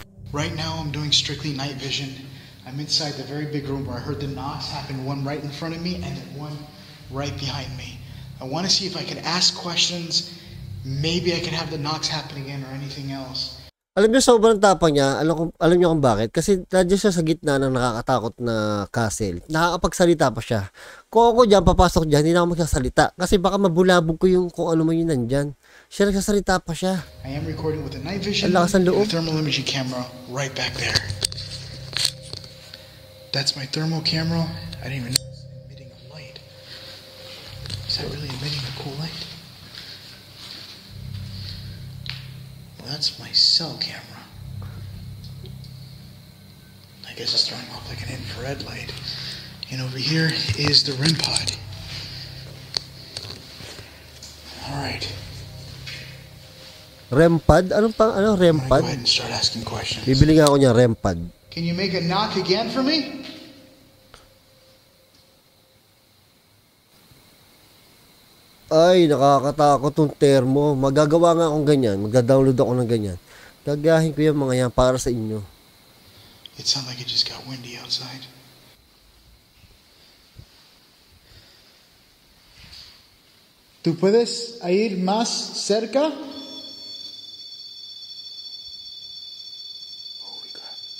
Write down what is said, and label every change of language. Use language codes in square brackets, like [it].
[en] Right now, I'm doing strictly night vision. I'm inside the very big room where I heard the knocks happen. One right in front of me and then one right behind me. I want to see if I can ask questions. Maybe I can have the knocks happen again or anything else. [tl] Alam niyo, sobrang tapang niya. Alam niyo kung bakit? Kasi nandiyan siya sa gitna ng nakakatakot na castle. Nakakapagsalita pa siya. Kung ako dyan, papasok dyan, hindi na ako magsasalita. Kasi baka mabulabog ko yung kung ano man yung nandyan. Siya nagsasalita pa siya. [en] I am recording with a night vision. [tl] Ang lakas ng loob. [en] Thermal imaging camera right back there. That's my thermal camera. I didn't even know it's emitting a light. Is that really emitting a cool light? That's my cell camera. this is throwing off like an infrared light. And over here is the REM pod. Alright. [tl] REM pod? Anong pang, ano, REM pod? [en] I'm gonna go ahead and start asking questions. [tl] Bibili nga ako niya REM pod. [en] Can you make a knock again for me? [tl] Ay, nakakatakot yung termo. Magagawa nga akong ganyan. Magda-download ako ng ganyan. Gagahin ko yung mga yan para sa inyo. [en] It sounds like it just got windy outside. [es] ¿Tú puedes ir más cerca? [en] Holy crap.